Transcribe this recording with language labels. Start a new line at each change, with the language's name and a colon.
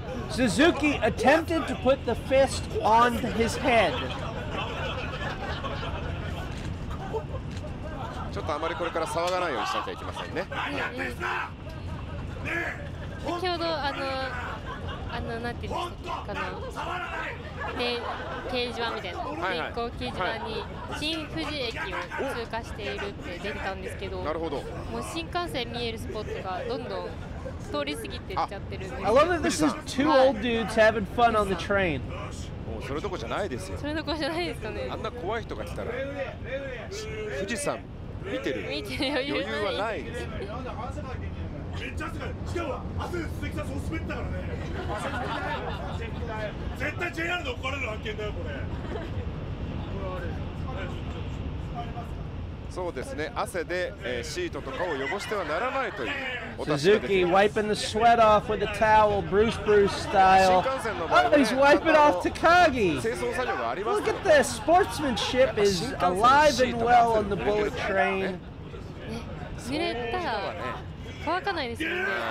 English: Suzuki attempted to put the fist on his head.
Japanese: ちょっとあまりこれから騒がないようにしなきゃいけませんね。先ほどあのなんていうんですかね、掲示板みたいな、はいはい、電光掲示板に新富士駅を通過しているって出てたんですけど、なるほど、もう新幹線見えるスポットがどんどん通り過ぎていっちゃってるんです
English: 。I love that this is two old dudes having fun on the train。
Japanese: もうそれどこじゃないですよ。それどこじゃないですかね。あんな怖い人が来たら、富士山見てる見てる余裕ない。余裕はないです。めっちゃ汗かいて、しかも汗で鈴木さん滑ったからね。絶対 JR で怒られる案件だよ、これ。そうですね、汗で、シートとかを汚してはならないというお達しができます。
English: Suzuki wiping the sweat off with a towel, Bruce Bruce style. Oh, he's wiping off Takagi!
Japanese: 清掃作業がありますよ。
English: Look at this! Sportsmanship is alive and well on the bullet train.
Japanese: 濡れた。乾かないですよね。